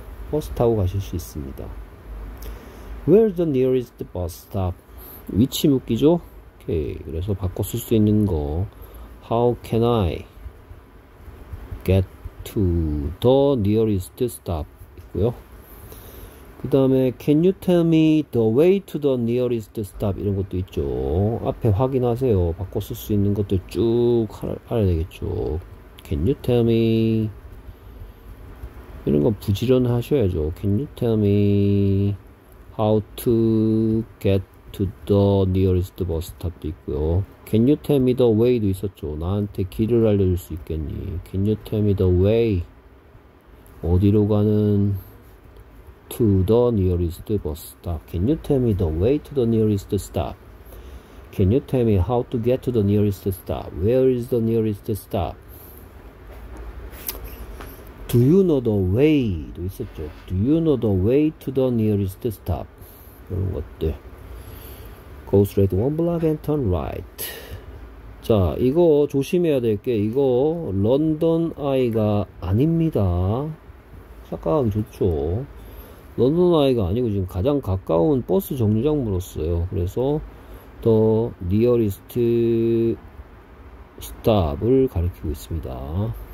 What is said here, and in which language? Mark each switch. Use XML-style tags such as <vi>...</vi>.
<ko>버스 타고 가실 수 있습니다.</ko> <en>Where's the nearest bus stop?</en> <ko>위치 묻기죠? 오케이. 그래서 바꿔 쓸수 있는 거.</ko> <en>How can I get to the nearest stop?</en> <ko>있고요. 그 다음에</ko> <en>Can you tell me the way to the nearest stop?</en> <ko>이런 것도 있죠. 앞에 확인하세요. 바꿔 쓸수 있는 것도 쭉 알아야 되겠죠.</ko> <en>Can you tell me?</en> <ko>이런 거 부지런하셔야죠.</ko> <en>Can you tell me? How to get to the nearest bus stop도 있고요. Can you tell me the way도 있었죠.</en> <ko>나한테 길을 알려줄 수 있겠니?</ko> <en>Can you tell me the way?</en> <ko>어디로 가는?</ko> <en>To the nearest bus stop. Can you tell me the way to the nearest stop? Can you tell me how to get to the nearest stop? Where is the nearest stop? Do you know the way도 있었죠. Do you know the way to the nearest stop?</en> <ko>이런 것들.</ko> <en>Go straight one block and turn right.</en> <ko>자, 이거 조심해야 될 게, 이거 런던 아이가 아닙니다. 착각하기 좋죠. 런던 아이가 아니고 지금 가장 가까운 버스 정류장 물었어요. 그래서 더 니어리스트 스탑을 가리키고 있습니다.</ko>